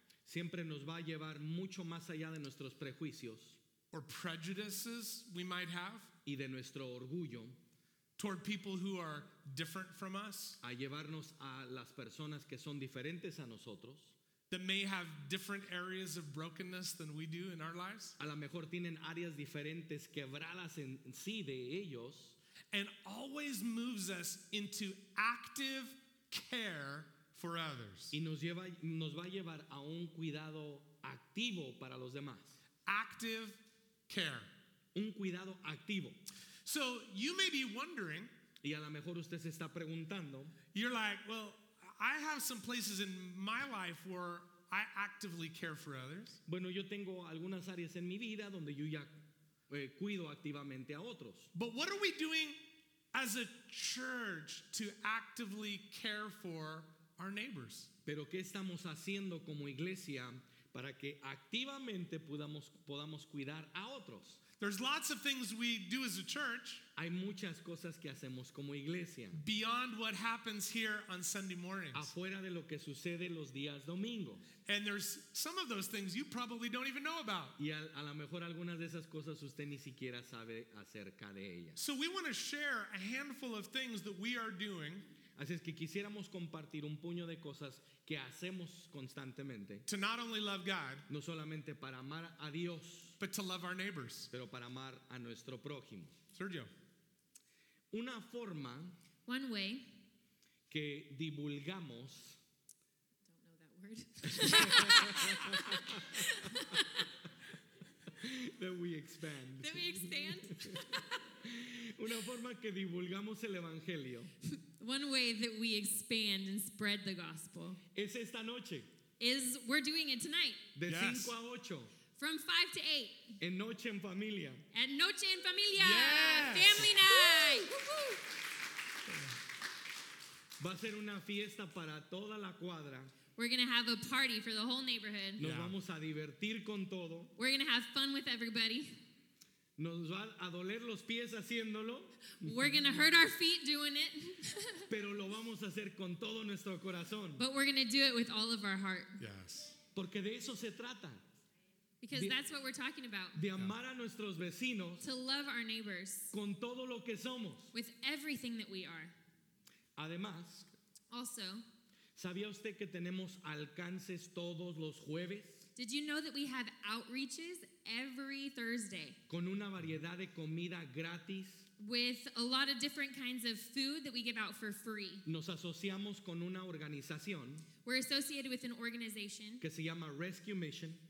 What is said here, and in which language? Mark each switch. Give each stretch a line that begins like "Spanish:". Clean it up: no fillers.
Spanish: siempre nos va a llevar mucho más allá de nuestros prejuicios
English: or prejudices we might have
Spanish: y de nuestro orgullo
English: toward people who are different from us,
Spanish: a llevarnos a las personas que son diferentes a nosotros,
English: that may have different areas of brokenness than we do in our lives,
Spanish: a lo mejor tienen áreas diferentes quebradas en sí de ellos,
English: and always moves us into active care for others.
Spanish: Y nos va a llevar a un cuidado activo para los demás.
English: Active care.
Spanish: Un cuidado activo.
English: So you may be wondering,
Spanish: y a lo mejor usted se está preguntando,
English: you're like, well, I have some places in my life where I actively care for others.
Spanish: Bueno, yo tengo algunas áreas en mi vida donde yo ya cuido activamente a otros.
English: But what are we doing as a church to actively care for our neighbors?
Spanish: Pero ¿qué estamos haciendo como iglesia para que activamente podamos cuidar a otros?
English: There's lots of things we do as a church.
Spanish: Hay muchas cosas que hacemos como iglesia.
English: Beyond what happens here on Sunday mornings.
Spanish: Afuera de lo que sucede los días domingos.
English: And there's some of those things you probably don't even know about.
Spanish: Y a lo mejor algunas de esas cosas usted ni siquiera sabe acerca de ellas.
English: So we want to share a handful of things that we are doing.
Spanish: Así es que quisiéramos compartir un puño de cosas que hacemos constantemente.
English: To not only love God,
Spanish: no solamente para amar a Dios,
English: but to love our neighbors.
Spanish: Pero para amar a nuestro prójimo. Sergio. Una forma,
English: one way,
Spanish: que divulgamos,
English: don't know that word, that we expand. That we expand.
Spanish: Una forma que divulgamos el evangelio.
English: One way that we expand and spread the gospel.
Spanish: Es esta noche.
English: Is we're doing it tonight.
Spanish: De 5 a 8.
English: From 5 to 8.
Spanish: En noche en familia.
English: At noche en familia. Yes. Family night.
Spanish: Va a ser una fiesta para toda la cuadra.
English: We're going to have a party for the whole neighborhood.
Spanish: Nos vamos a divertir con todo.
English: We're going to have fun with everybody.
Spanish: Nos va a doler los pies haciéndolo.
English: We're going to hurt our feet doing it.
Spanish: Pero lo vamos a hacer con todo nuestro corazón.
English: But we're going to do it with all of our heart. Yes.
Spanish: Porque de eso se trata.
English: Because that's what we're talking about.
Spanish: De amar a nuestros vecinos.
English: To love our neighbors.
Spanish: Con todo lo que somos.
English: With everything that we are.
Spanish: Además.
English: Also.
Spanish: ¿Sabía usted que tenemos alcances todos los jueves?
English: Did you know that we have outreaches every Thursday?
Spanish: Con una variedad de comida gratis.
English: With a lot of different kinds of food that we give out for free.
Spanish: Nos asociamos con una organización.
English: We're associated with an organization.
Spanish: Que se llama Rescue Mission.